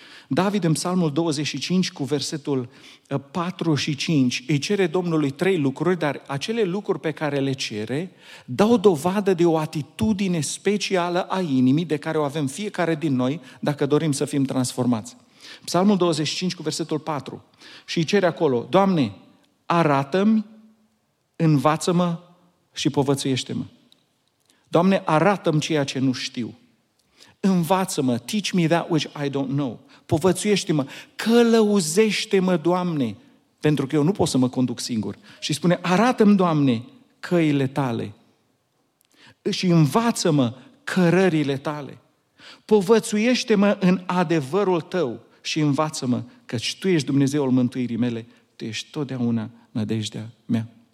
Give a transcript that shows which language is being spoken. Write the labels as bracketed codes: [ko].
[ro] David în Psalmul 25 cu versetul 4 și 5 îi cere Domnului trei lucruri, dar acele lucruri pe care le cere dau dovadă de o atitudine specială a inimii de care o avem fiecare din noi dacă dorim să fim transformați. Psalmul 25 cu versetul 4 și îi cere acolo, Doamne, arată-mi, învață-mă și povățuiește-mă. Doamne, arată-mi ceea ce nu știu. Învață-mă, [en] teach me that which I don't know. [ro] Povățuiește-mă, călăuzește-mă, Doamne, pentru că eu nu pot să mă conduc singur. Și spune, arată-mi, Doamne, căile Tale și învață-mă cărările Tale. Povățuiește-mă în adevărul Tău și învață-mă, căci Tu ești Dumnezeul mântuirii mele, Tu ești totdeauna nădejdea mea.